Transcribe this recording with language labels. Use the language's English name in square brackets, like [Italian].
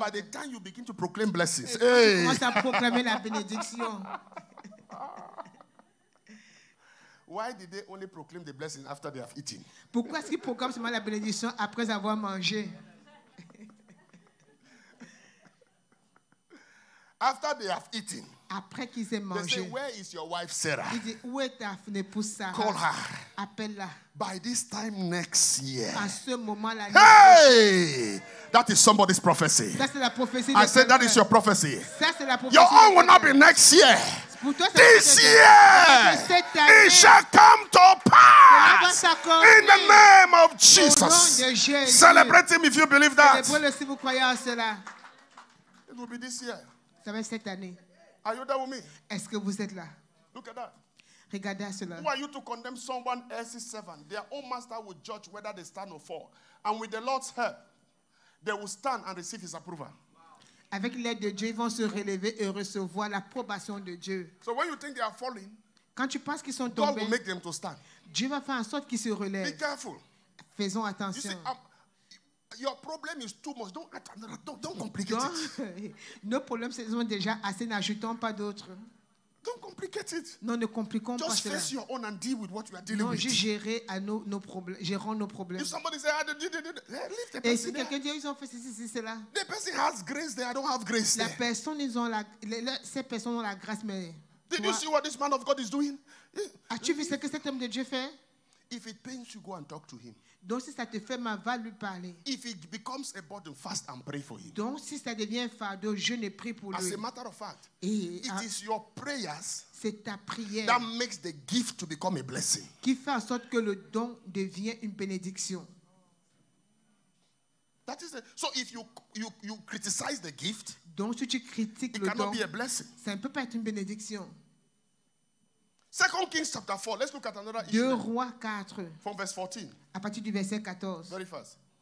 [English] That by the time you begin to proclaim blessings, [French] tu commences à proclamer la bénédiction. [English] Why did they only proclaim the blessing after they have eaten? [French] Pourquoi est-ce qu'ils proclament seulement la bénédiction après avoir mangé? [English] After they have eaten, [French] après qu'ils aient mangé, [English] they say, "Where is your wife Sarah?" [French] Il dit, où est ta épouse Sarah? [English] Call her. [French] Appelle-la. [English] By this time next year. [French] À ce moment là. [English] Hey, that is somebody's prophecy. [French] Ça c'est la prophétie. [English] I said that is your prophecy. [French] Ça c'est la prophétie. [English] Your own will not be next year. This year, it shall come to pass in the name of Jesus. Celebrate him if you believe that. [French] Célébrez-le si vous croyez en cela. [English] It will be this year. [French] Ça va être cette année. [English] Are you there with me? [French] Est-ce que vous êtes là? [English] Look at that. [French] Regardez à cela. [English] Who are you to condemn someone else's servant? Their own master will judge whether they stand or fall. And with the Lord's help, they will stand and receive his approval. Wow. [French] Avec l'aide de Dieu, ils vont se relever et recevoir l'approbation de Dieu. [English] So when you think they are falling, [French] quand tu penses qu'ils sont tombés, [English] God will make them to stand. [French] Dieu va faire en sorte qu'ils se relèvent. [English] Be careful. [French] Faisons attention. [English] You see, your problem is too much. Don't complicate it. [French] Nos problèmes sont déjà assez. N'ajoutons pas d'autres. [English] Don't complicate it. [French] Non, ne compliquons [English] just [French] pas cela. [English] Just face your own and deal with what you are dealing [French] non, [English] with. [French] Non, gérer à nos problèmes. Gérons nos problèmes. [English] If somebody says, "Ah, leave [French] et si quelqu'un dit, ils ont fait ceci, cela. [English] The person has grace there. I don't have grace [French] la [English] there. [French] Personne, ils ont ces personnes ont la grâce, mais. [English] Did moi, you see what this man of God is doing? [French] As-tu vu ce que cet homme de Dieu fait? [English] If it pains you, go and talk to him. [French] Donc si ça te fait mal, va lui parler. [English] If it becomes a burden, fast and pray for him. [French] Donc si ça devient fardeau, jeûne et prie pour [English] as [French] lui. [English] As a matter of fact, [French] et [English] it is your prayers [French] c'est ta prière [English] that makes the gift to become a blessing. [French] Qui fait en sorte que le don devient une bénédiction. [English] That is so if you criticize the gift, [French] donc si tu critiques [English] it [French] le [English] cannot [French] don, [English] be a blessing. [French] Ça ne peut pas être une bénédiction. [English] 2 Kings chapter 4. Let's look at another issue. [French] Deux rois 4. [English] From verse 14. [French] À partir du verset 14. [English] Very fast.